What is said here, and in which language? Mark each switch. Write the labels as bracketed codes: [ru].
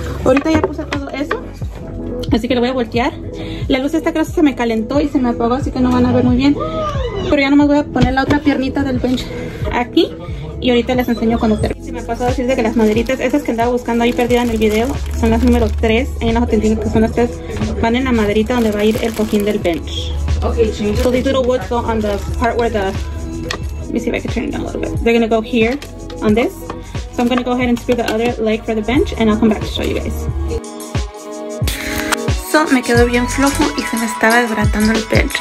[es] Ahorita ya puse todo eso, así que lo voy a voltear. La luz esta creo que se me calentó y se me apagó, así que no van a ver muy bien, pero ya nomás voy a poner la otra piernita del bench aquí y ahorita les enseño cuando termine. Se me pasó a decir de que las maderitas esas que andaba buscando ahí perdida en el video son las número 3, ahí en las otentinas, que son las 3, van en la maderita donde va a ir el cojín del bench. [en] Okay, so these little woods go on the part where the, let me see if I can turn it down a little bit. They're gonna go here on this. So I'm gonna go ahead and screw the other leg for the bench and I'll come back to show you guys. [es] Me quedó bien flojo y se me estaba desbaratando el bench.